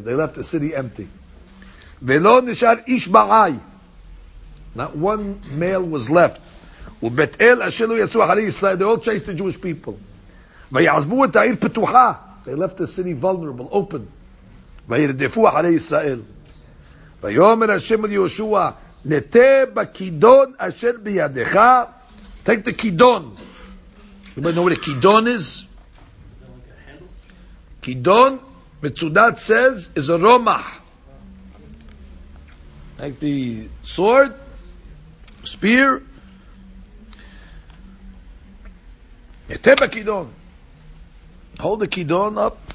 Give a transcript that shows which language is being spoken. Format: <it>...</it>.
<en>They left the city empty.</en> <he>"Velo nishar ish ba'ay."</he> <en>Not one male was left.</en> <he>ובתאל אשר לא יצאו אחרי ישראל,</he> <en>they all chased the Jewish people.</en> <he>ויעזבו את העיר פתוחה,</he> <en>they left the city vulnerable, open.</en> <he>וירדפו אחרי ישראל. ויאמר השם אל יהושע, נטה בכידון אשר בידך,</he> <en>take the</en> <he>כידון.</he> <en>Anybody know what a כידון is?</en> <he>כידון, מצודת says, is a רומח.</he> <en>Take the sword, spear, hold the kidon up.</en>